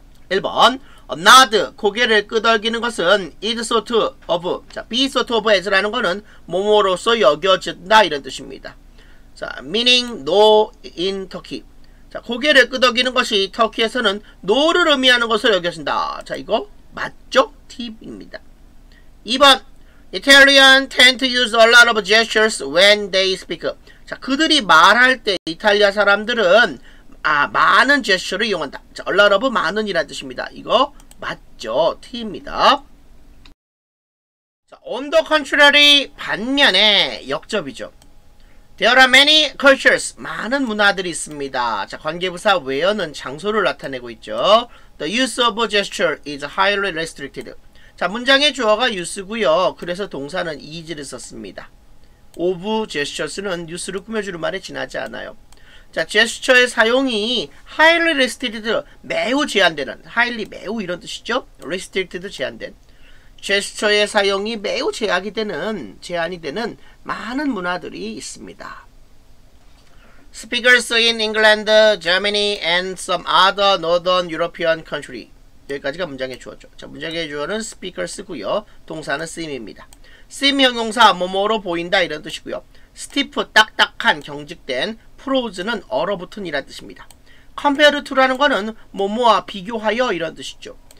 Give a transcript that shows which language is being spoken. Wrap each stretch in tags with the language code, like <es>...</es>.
<ko>1번 nod, 고개를 끄덕이는 것은</ko> <en>is sort of,</en> <ko>자, be sort of as라는 것은 뭐뭐로서 여겨진다 이런 뜻입니다.</ko> <en>자, meaning no in Turkey.</en> <ko>자, 고개를 끄덕이는 것이 터키에서는 no를 의미하는 것을 여겨진다. 자, 이거 맞죠? tip입니다.</ko> <en>2번 Italian tend to use a lot of gestures when they speak.</en> <ko>자, 그들이 말할 때 이탈리아 사람들은 아, 많은 제스처를 이용한다. 자, a lot of 많은 이란 뜻입니다. 이거 맞죠? T입니다. 자,</ko> <en>on the contrary,</en> <ko>반면에 역접이죠.</ko> <en>There are many cultures.</en> <ko>많은 문화들이 있습니다. 자, 관계부사 where는 장소를 나타내고 있죠.</ko> <en>The use of gesture is highly restricted.</en> <ko>자, 문장의 주어가 use고요. 그래서 동사는 is를 썼습니다. of gestures는 use를 꾸며주는 말에 지나지 않아요. 자, 제스처의 사용이</ko> <en>highly restricted,</en> <ko>매우 제한되는, highly 매우 이런 뜻이죠? restricted 제한된. 제스처의 사용이 매우 제약이 되는, 제한이 되는 많은 문화들이 있습니다.</ko> <en>Speakers in England, Germany, and some other northern European country.</en> <ko>여기까지가 문장의 주어죠. 자, 문장의 주어는 speakers고요. 동사는 seem입니다. seem 형용사, 뭐뭐로 보인다 이런 뜻이고요. stiff, 딱딱한, 경직된, Prose는 얼어붙은이란 뜻입니다. Compare to라는 것은 뭐뭐와 비교하여 이런 뜻이죠.</ko>